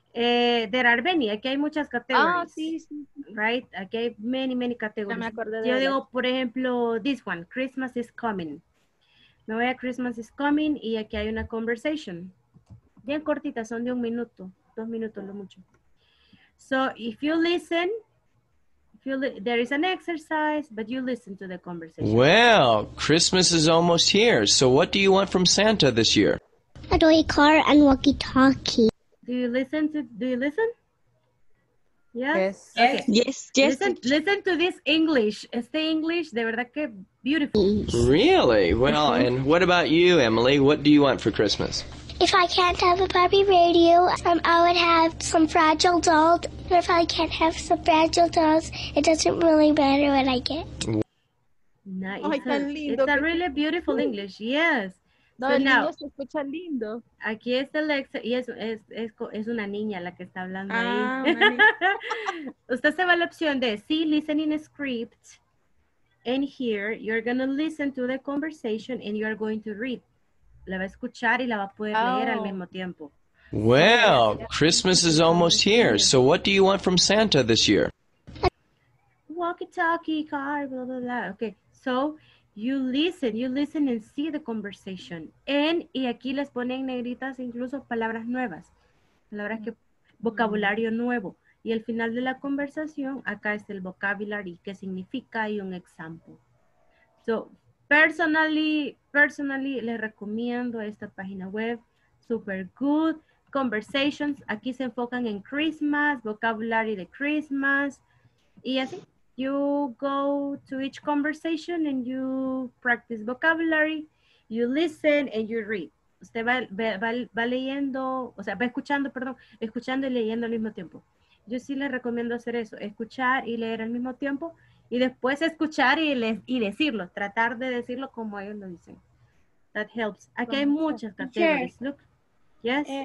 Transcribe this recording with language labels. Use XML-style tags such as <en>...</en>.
<es>De Arbeni, aquí hay muchas categorías. Ah, sí. Right, aquí hay many categorías. Ya me acordé de yo digo, por ejemplo,</es> <en>this one, Christmas is coming.</en> <es>Me voy a Christmas is coming y aquí hay una conversation. Bien cortita, son de un minuto, dos minutos, lo mucho.</es> <en>So, there is an exercise, but you listen to the conversation. Well, Christmas is almost here. So, what do you want from Santa this year? A toy car and walkie-talkie. Do you listen? Yes. Okay. Yes. Listen to this English.</en> <es>Este English, de verdad que beautiful.</es> <en>Really? Well, and what about you, Emily? What do you want for Christmas? If I can't have a Barbie radio, I would have some fragile dolls. But if I can't have some fragile dolls, it doesn't really matter what I get. Nice. It's a really beautiful English. Yes.</en> <es>Lindo. Aquí es Alexa y es una niña la que está hablando ahí. Usted se va a la opción de</es> <en>see listening script and here you're going to listen to the conversation and you're going to read.</en> <es>La va a escuchar y la va a poder leer al mismo tiempo.</es> <en>Well, Christmas is almost here. So what do you want from Santa this year? Walkie-talkie, car, blah, blah, blah. Okay, so... You listen and see the conversation.</en> <es>Y aquí les ponen negritas incluso palabras nuevas. Palabras que, vocabulario nuevo. Y al final de la conversación, acá es el vocabulary, qué significa y un example. So, personally, les recomiendo esta página web.</es> <en>Super good.</en> <es>Conversations. Aquí se enfocan en Christmas, vocabulary de Christmas. Y así.</es> <en>You go to each conversation and you practice vocabulary, you listen and you read.</en> <es>Usted va leyendo, o sea, va escuchando, perdón, escuchando y leyendo al mismo tiempo. Yo sí le recomiendo hacer eso, escuchar y leer al mismo tiempo y después escuchar y decirlo, tratar de decirlo como ellos lo dicen.</es> <en>That helps.</en> <es>Aquí hay muchas categorías. Look. Yes.</es>